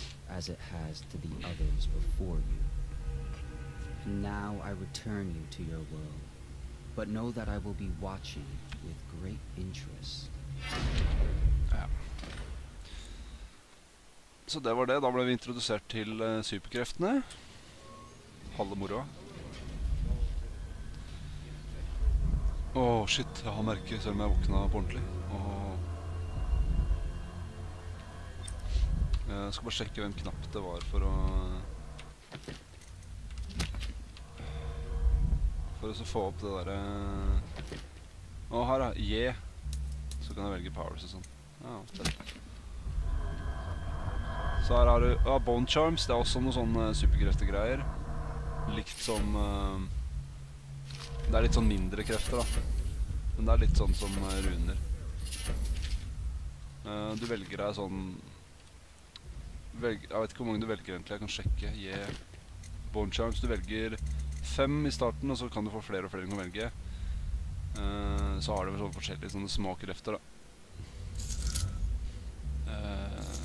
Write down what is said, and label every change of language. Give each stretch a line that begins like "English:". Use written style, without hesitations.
English: As it has to the others before you. And now I return you to your world, but know that I will be watching with great interest.
Norwegian: Ja. Så det var det, da ble vi introdusert til superkreftene. Halve moro. Åh, shit, jeg har merket selv om jeg våkna på ordentlig. Jeg skal bare sjekke hvem knapp det var for å... For å så få opp det der... Å, her da, J. Yeah. Så kan jeg velge powers og sånn. Ja, fett. Så her har du... Ja, Bone Charms, det også noen sånne superkrefte greier. Likt som... Det litt sånn mindre krefter da. Men det litt sånn som runer. Du velger deg sånn... Jeg vet ikke hvor mange du velger egentlig, jeg kan sjekke. Yeah. Bone Charms, du velger 5 i starten, og så kan du få flere og flere du kan velge. Så har du sånne forskjellige sånne små krefter da.